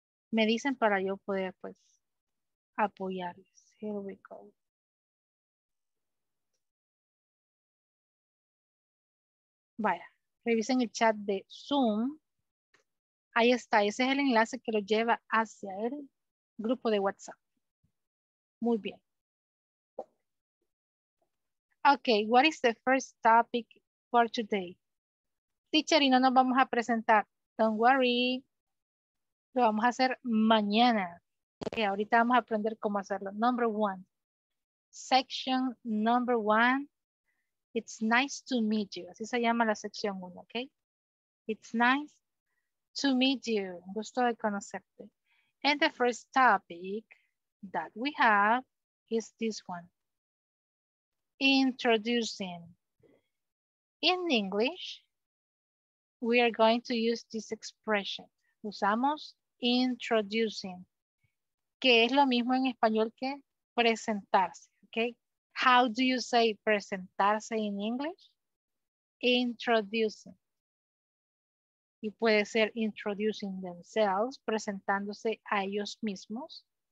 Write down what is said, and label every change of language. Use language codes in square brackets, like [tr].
[es] Me dicen para yo poder, pues, apoyarles. [en] Here we go. [es] Vaya, revisen el chat de Zoom. Ahí está, ese es el enlace que lo lleva hacia el grupo de WhatsApp. Muy bien. [en] Okay, what is the first topic for today? [es] Teacher, y no nos vamos a presentar. [en] Don't worry. [es] Lo vamos a hacer mañana. Okay, ahorita vamos a aprender cómo hacerlo. [en] Number one. Section number one. It's nice to meet you. [es] Así se llama la sección 1, ¿ok? [en] It's nice to meet you. [es] Gusto de conocerte. [en] And the first topic that we have is this one. Introducing. In English, we are going to use this expression. [es] Usamos introducing, que es lo mismo en español que presentarse, ¿ok? [en] How do you say presentarse in English? Introducing. [es] Y puede ser [en] introducing themselves, [es] presentándose a ellos mismos.